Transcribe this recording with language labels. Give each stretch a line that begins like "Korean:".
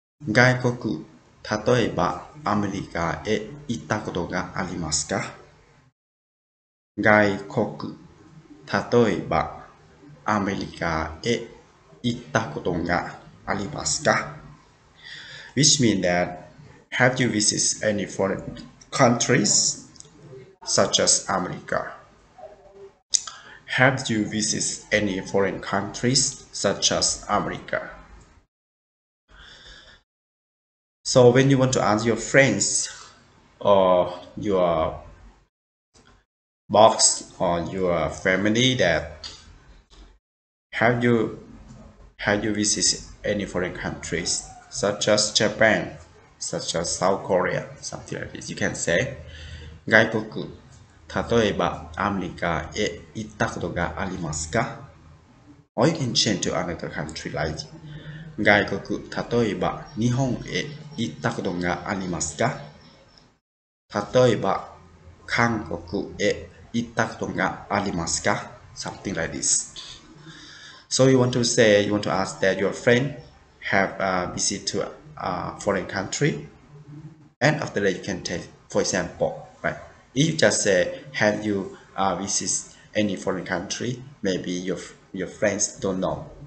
Japanese: 外国、例えばアメリカへ行ったことがありますか？外国、例えばアメリカへ行ったことがありますか？
English: Which means that, have you visited any foreign countries such as America? Have you visited any foreign countries such as America? So when you want to ask your friends or your box or your family that have you visited any foreign countries such as Japan, such as South Korea, something like this, you can say
Japanese: 外国例えばアメリカへ行ったことがありますか?
English: Or you can change to another country like
Japanese: 外国例えば日本へ行ったことがありますか? 例えば韓国へ行ったことがありますか?
English: Something like this. So you want to say, you want to ask that your friend have a visit to a foreign country. And after that you can take, for example, right? If you just say, have you visited any foreign country, maybe your friends don't know.